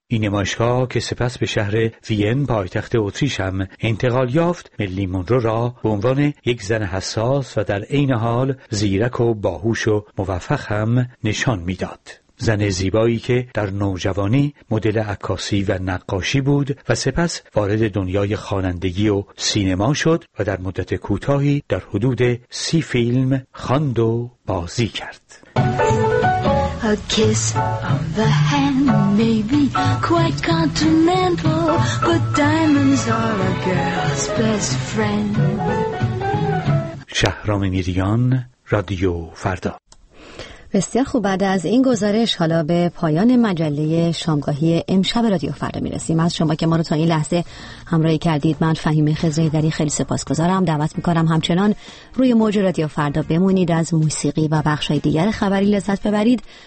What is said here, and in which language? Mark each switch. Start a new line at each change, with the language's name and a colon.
Persian: این نمایشگاه که سپس به شهر وین پایتخت اتریش هم انتقال یافت، مرلین مونرو را به عنوان یک زن حساس و در عین حال زیرک و باهوش و موفق هم نشان می‌داد. زن زیبایی که در نوجوانی مدل عکاسی و نقاشی بود و سپس وارد دنیای خوانندگی و سینما شد و در مدت کوتاهی در حدود 30 فیلم خواند و بازی کرد.
English: A kiss on the hand may be quite continental, but diamonds are a girl's best friend.
Persian: شهرام میریان، رادیو فردا. بسیار خوب، بعد از این گزارش حالا به پایان مجله شامگاهی امشب رادیو فردا میرسیم. از شما که ما رو تا این لحظه همراهی کردید، من فهیمه خضری‌دری خیلی سپاسگزارم. دعوت میکنم همچنان روی موج رادیو فردا بمونید، از موسیقی و بخشای دیگر خبری لذت ببرید.